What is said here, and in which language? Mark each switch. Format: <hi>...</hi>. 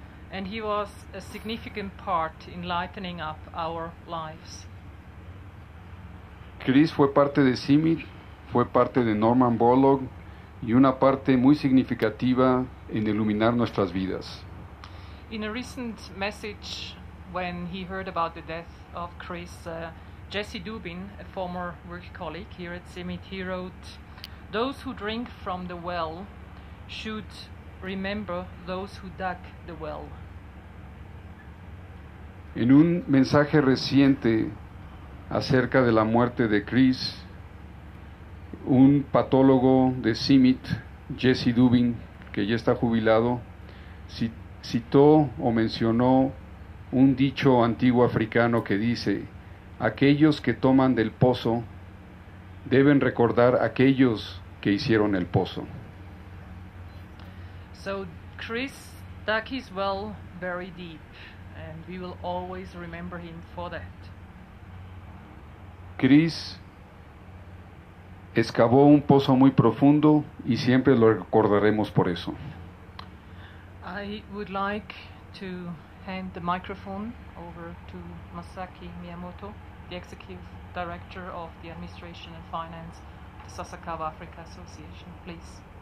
<en>and he was a significant part in lightening up our lives.</en> <es>Chris fue parte de Simit, fue parte de Norman Borlaug y una parte muy significativa en iluminar nuestras vidas.</es> <en>In a recent message, when he heard about the death of Chris, Jesse Dubin, a former work colleague here at Simit, he wrote, "Those who drink from the well should remember those who dug the well."</en> <es>En un mensaje reciente acerca de la muerte de Chris, un patólogo de Simit, Jesse Dubin, que ya está jubilado, citó o mencionó un dicho antiguo africano que dice: aquellos que toman del pozo deben recordar aquellos que hicieron el pozo.</es> <en>So Chris dug his well very deep, and we will always remember him for that.</en> <es>Chris excavó un pozo muy profundo y siempre lo recordaremos por eso.</es> <en>I would like to hand the microphone over to Masaki Miyamoto, the executive director of the administration and finance of the Sasakawa Africa Association, please.</en>